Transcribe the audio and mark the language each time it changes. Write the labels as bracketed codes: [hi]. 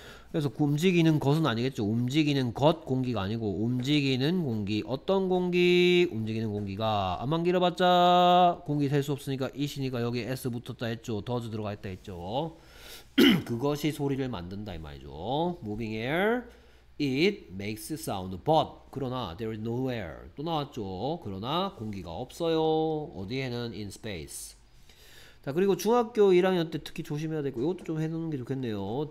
[ko] 그래서 움직이는 것은 아니겠죠. 움직이는 것 공기가 아니고 움직이는 공기. 어떤 공기? 움직이는 공기가 암만 길어봤자 공기 셀수 없으니까 이시니까 여기 S 붙었다 했죠. 더즈 들어가 있다 했죠. 그것이 소리를 만든다 이 말이죠. [en] Moving air, it makes sound. But 그러나 there is no air. [ko] 또 나왔죠. 그러나 공기가 없어요. 어디에는? [en] In space. [ko] 자 그리고 중학교 1학년 때 특히 조심해야 될거 이것도 좀 해놓는 게 좋겠네요.